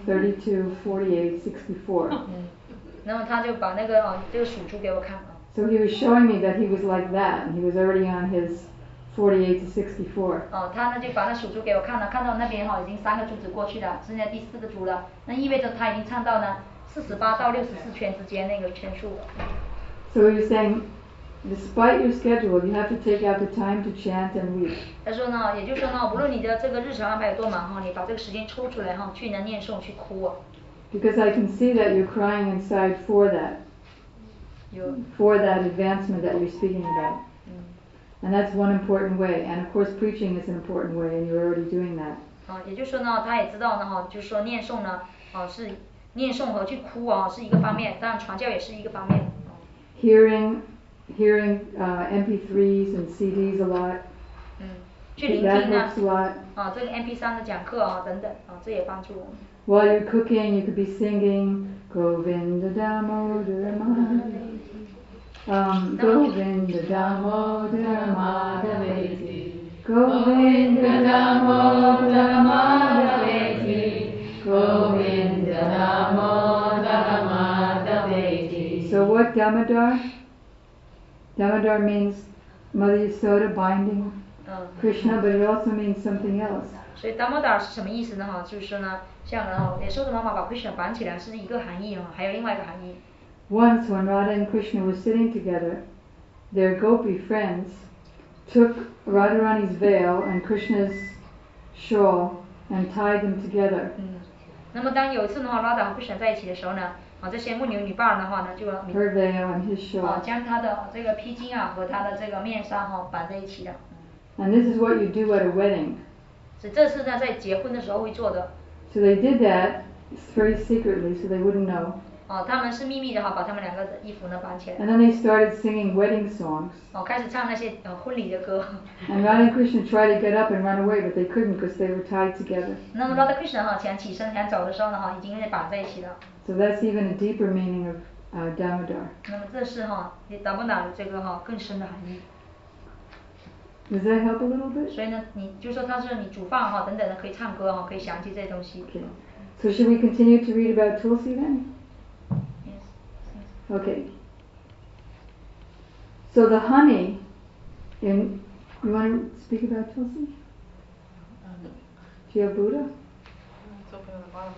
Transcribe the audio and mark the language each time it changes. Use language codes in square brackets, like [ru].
[zh] 32, 48, 64. 那么他就把那个这个数珠给我看了。 [en] So he was showing me that he was like that, and he was already on his 48 to 64. [zh] 他呢就把那数珠给我看了，看到那边已经三个珠子过去了，剩下第四个珠了，那意味着他已经唱到呢48到64圈之间那个圈数了。 [en] So he was saying, Despite your schedule, you have to take out the time to chant and read. [zh] 他说呢，也就是说呢，无论你的这个日程安排有多忙哈，你把这个时间抽出来哈，去能念诵去哭啊。 [en] Because I can see that you're crying inside for that, for that advancement that you're speaking about. And that's one important way. And of course, preaching is an important way, and you're already doing that. [zh] 也就是说呢，他也知道呢哈，就是说念诵呢，是念诵和去哭啊，是一个方面，当然传教也是一个方面。 [en] Hearing MP3s and CDs a lot. [zh] 去聆听呢。 [en] That helps a lot. [zh] 这个 MP3 的讲课啊，等等啊，这也帮助我们。 [en] While you're cooking, you could be singing Govinda Damodara Madhavi. Govinda Damodara Madhavi. Govinda Damodara Madhavi. Govinda Damodara Madhavi. So what Damodar? Damodar means Mother Yasoda binding Krishna, but it also means something else. [zh] 所以 Damodar 是什么意思呢？就是呢。像然后也说的妈妈把 Krishna 绑起来是一个含义啊，还有另外一个含义。 [en] Once when Radha and Krishna were sitting together, their gopi friends took Radharani's veil and Krishna's shawl and tied them together. [zh] 那么当有一次的话 ，Radha 和 Krishna 在一起的时候呢，这些牧牛女伴的话呢，就 [en] her veil and his shawl [zh] 将她的这个披巾啊和她的这个面纱哈绑在一起的。 [en] And this is what you do at a wedding. [zh] 是这是呢在结婚的时候会做的。 [en] So they did that very secretly, so they wouldn't know. [zh] 他们是秘密的哈，把他们两个的衣服呢绑起来。 [en] And then they started singing wedding songs. [zh] 开始唱那些婚礼的歌。 [en] And Radha and Krishna tried to get up and run away, but they couldn't because they were tied together. [zh] 那么 Radha Krishna 想起身想走的时候呢已经被绑在一起了。 [en] So that's even a deeper meaning of Damodar. [zh] 那么这是Damodar 这个更深的含义。 [en] Does that help a little bit? [zh] 所以呢，你就说他是你煮饭哈等等的，可以唱歌哈，可以想起这些东西。 [en] Okay. So should we continue to read about Tulsi then? Yes. Okay. So the honey, in you want to speak about Tulsi? Do you have Buddha? It's open at the bottom.